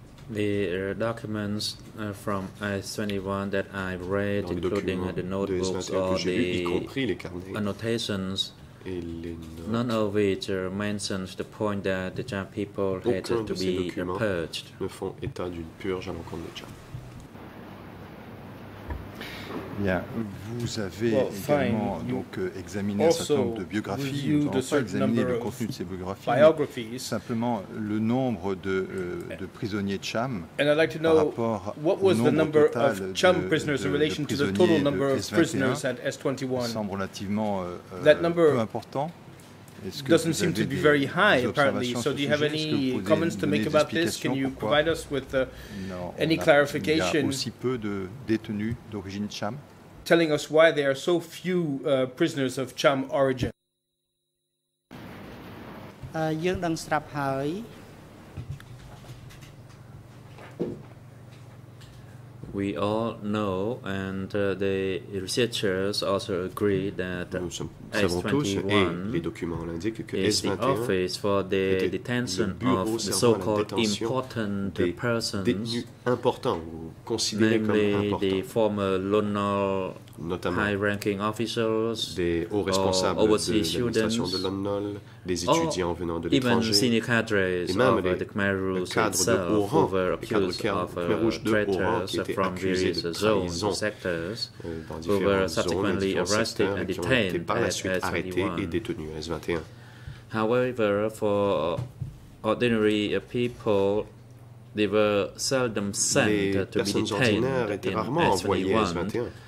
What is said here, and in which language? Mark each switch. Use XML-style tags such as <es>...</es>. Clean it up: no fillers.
<en>The documents from S21 that I read, including the notebooks or the annotations, none of which mentions the point that the Cham people had to be purged.</en> <fr>Ne font état d'une purge à l'encontre des Cham. Bien, vous avez également donc examiné un certain nombre de biographies, vous n'avez pas examiné le contenu de ces biographies, simplement le nombre de prisonniers Cham par rapport au nombre total de</fr> <en>Cham prisoners in relation to the total number of prisoners at S21.</en> <fr>Semble relativement peu important.</fr> <en>Doesn't seem to be very high, apparently. So, do you have any comments to make about this? Can you provide us with any clarification?</en> <fr>Il y a aussi peu de détenus d'origine Cham.</fr> <en>Telling us why there are so few prisoners of Cham origin.</en> <km>Yeung dang srap hai.</km> <en>We all know, and the researchers also agree that S21 is the office for the detention of the so-called important persons, namely the former Lunar high-ranking officials,</en> <fr>des hauts responsables</fr> <en>overseas students,</en> <fr>de l'UNOL, des étudiants venant de l'étranger,</fr> <en>even senior cadres of the Khmer Rouge itself, who were accused of traitors from various zones and sectors, who were subsequently arrested and detained at S21. However, for ordinary people, they were seldom sent to be detained in S21.</en>